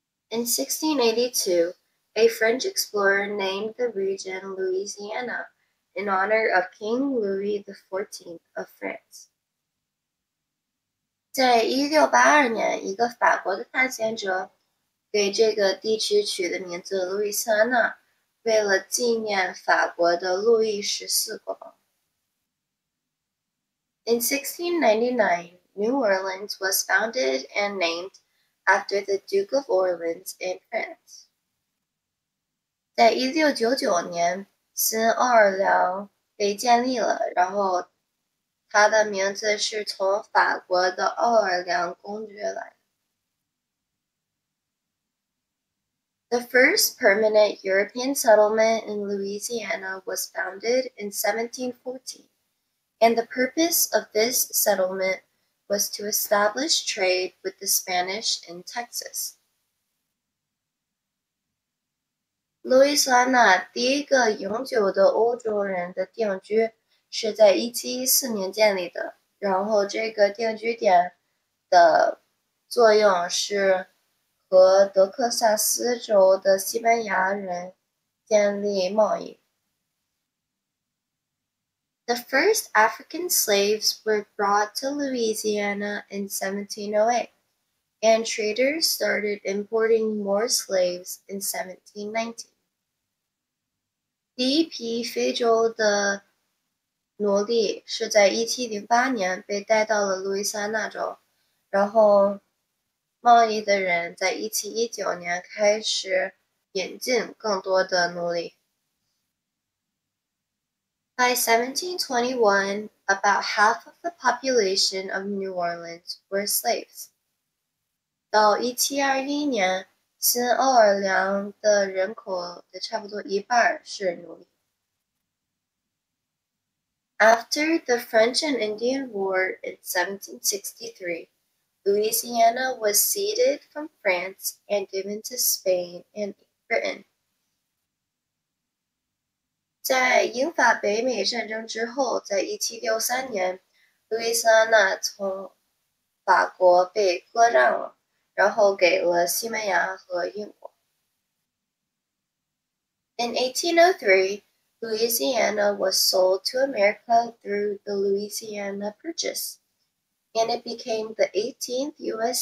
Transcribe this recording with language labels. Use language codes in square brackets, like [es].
[en] In 1682, a French explorer named the region Louisiana in honor of King Louis XIV of France. [zh] 在1682年，一个法国的探险者给这个地区取的名字路易斯安那，为了纪念法国的路易十四国王。 [en] In 1699, New Orleans was founded and named after the Duke of Orleans in France. [zh] 在1699年，新奥尔良被建立了，然后它的名字是从法国的奥尔良公爵来。 [en] The first permanent European settlement in Louisiana was founded in 1714. And the purpose of this settlement was to establish trade with the Spanish in Texas. [zh] 路易斯安那第一个永久的欧洲人的定居是在1714年建立的，然后这个定居点的作用是和德克萨斯州的西班牙人建立贸易。 [en] The first African slaves were brought to Louisiana in 1708, and traders started importing more slaves in 1719. [zh] 第一批非洲的奴隶是在1708年被带到了路易斯安那州，然后贸易的人在1719年开始引进更多的奴隶。 [en] By 1721, about half of the population of New Orleans were slaves. [zh] 到1721年，新奥尔良的人口的差不多一半是奴隶。 [en] After the French and Indian War in 1763, Louisiana was ceded from France and given to Spain and Britain. [zh] 在英法北美战争之后，在1763年，路易斯安那从法国被割让了，然后给了西班牙和英国。 [en] In 1803, Louisiana was sold to America through the Louisiana Purchase, and it became the 18th U.S.